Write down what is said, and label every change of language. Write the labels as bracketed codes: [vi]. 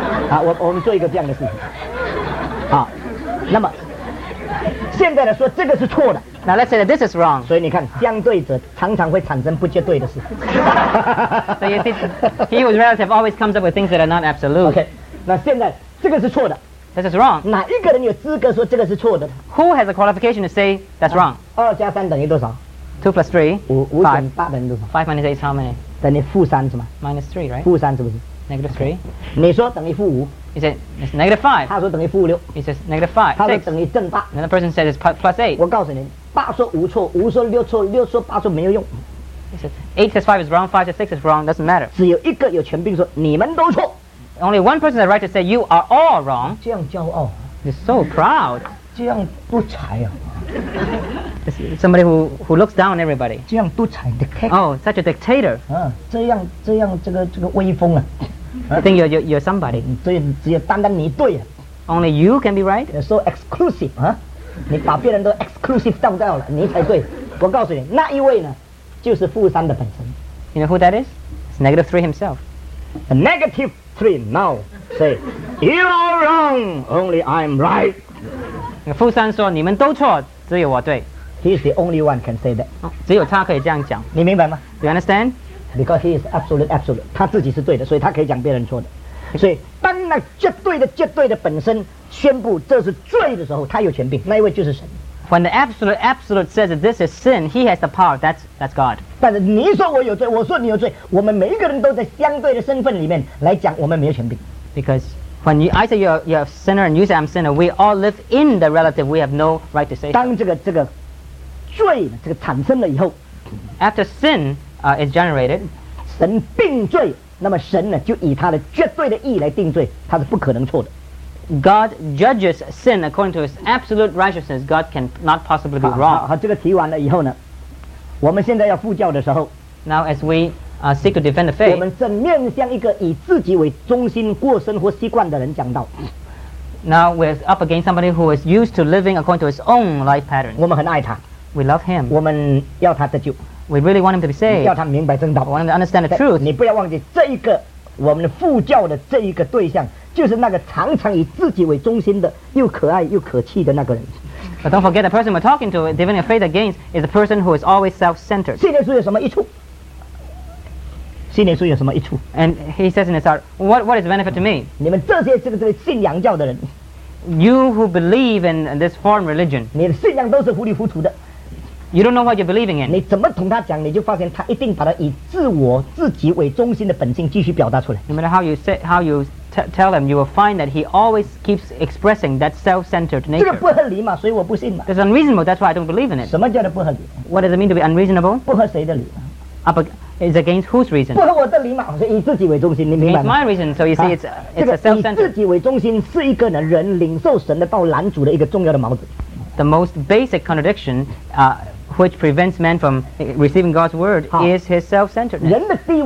[zh] 啊，我们做一个这样的事情。好，那么现在呢，说这个是错的。 [en] Now let's say that this is wrong. [zh] 所以你看，相对者常常会产生不绝对的事。 [en] So you see, he who is relative always comes up with things that are not absolute. [zh] Okay. 那现在这个是错的。 [en] This is wrong. [zh] 哪一个人有资格说这个是错的？ [en] Who has the qualification to say that's wrong? [zh] 二加三等于多少？ [en] 2 plus 3. [zh] 五减八等于多少？ [en] 5 minus 8 is how many? [zh] 等于-3是吗？ [en] -3, right? [zh] -3是不是？ [en] -3. [zh] 你说等于-5. [en] He said it's -5. [zh] 他说等于-6. [en] He says -5. [zh] 他说等于正八. [en] Another person says it's +8. [zh] 我告诉你，八说五错，五说六错，六说八说没有用。 [en] He says 8 says 5 is wrong, 5 says 6 is wrong. Doesn't matter. [zh] 只有一个有权柄说你们都错。 [en] Only one person has the right to say you are all wrong. [zh] 这样骄傲。 [en] He's so proud. [zh] 这样独裁啊。 [en] Somebody who looks down on everybody. [zh] 这样独裁, [en] oh, such a dictator. [zh] 这样这个威风啊。 [en] I think you're somebody. [zh] 只有单单你对啊。 [en] Only you can be right. You're so exclusive, huh? [zh] 你把别人都 exclusive 到掉了，你才对。我告诉你，那一位呢，就是负三的本身。 [en] You know who that is? It's -3 himself. A -3 now say, you're all wrong. Only I'm right. [zh] 负三说，你们都错，只有我对。 [en] He's the only one can say that. [zh] 只有他可以这样讲。你明白吗？ [en] You understand? Because he is absolute, [zh] 他自己是对的，所以他可以讲别人错的。所以，当那绝对的本身宣布这是罪的时候，他有权柄，那一位就是神。 [en] When the absolute says that this is sin, he has the power. That's God. [zh] 但是你说我有罪，我说你有罪，我们每一个人都在相对的身份里面来讲，我们没有权柄。 [en] Because when I say you're a sinner and you say I'm a sinner, we all live in the relative. We have no right to say. [zh] 当这个罪这个产生了以后， [en] after sin. Is generated. [zh] 神定罪，那么神呢，就以他的绝对的义来定罪，他是不可能错的。 [en] God judges sin according to his absolute righteousness, God cannot possibly be wrong. [zh] 好，这个提完了以后呢，我们现在要复教的时候， [en] now as we seek to defend the faith, [zh] 我们正面向一个以自己为中心过生活习惯的人讲道。 [en] Now we're up against somebody who is used to living according to his own life pattern. [zh] 我们很爱他, [en] we love him. [zh] 我们要他得救, [en] we really want him to be saved. [zh] 要他明白正道, [en] we want him to understand the truth. [zh] 你不要忘记这一个我们复教的这一个对象就是那个常常以自己为中心的又可爱又可气的那个人。 [en] But don't forget, the person we're talking to, defending a faith against, is a person who is always self-centered. [zh] 信念书有什么益处?信念书有什么益处? [en] And he says in his heart, what is the benefit to me? [zh] 你们这些信仰教的人, [en] you who believe in this foreign religion, [zh] 你的信仰都是糊里糊涂的, [en] you don't know what you're believing in. [zh] 你怎么同他讲, 你就发现他一定把他以自我, 自己为中心的本性继续表达出来。 [en] No matter how you say, how you tell him, you will find that he always keeps expressing that self-centered nature. [zh] 这个不合理嘛, 所以我不信嘛。 [en] It's unreasonable, that's why I don't believe in it. [zh] 什么叫做不合理? [en] What does it mean to be unreasonable? [zh] 不合谁的理? [en] It's against whose reason? [zh] 不合我的理嘛, 所以以自己为中心, 你明白吗? [en] It's my reason, so you see, it's a self-centered. [zh] 以自己为中心是一个人领受神的道拦阻的一个重要的矛盾。 [en] The most basic contradiction which prevents man from receiving God's word is his self-centeredness.